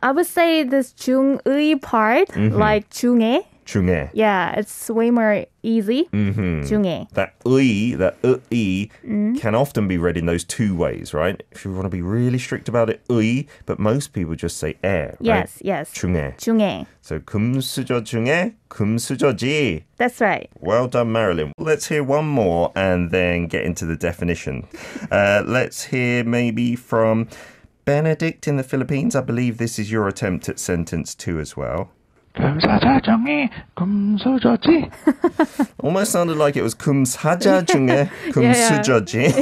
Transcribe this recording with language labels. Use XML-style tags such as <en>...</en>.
<en>I would say this</en> <ko>중의</ko> <en>part, mm-hmm. like</en> <ko>중에. 중에.</ko> <en>Yeah, it's way more easy. Mm-hmm.</en> <ko>중에.</ko> <en>That ui, that ui, can often be read in those two ways, right? If you want to be really strict about it, ui, but most people just say e, right? Yes.</en> <ko>중에. 중에. So 금수저 중에, 금수저지.</ko> <en>That's right. Well done, Marilyn. Let's hear one more and then get into the definition. let's hear maybe from Benedict in the Philippines. I believe this is your attempt at sentence two as well.</en> <ko>금사자중에 금수저지. Almost sounded like it was 금사자중에 금수저지.</ko>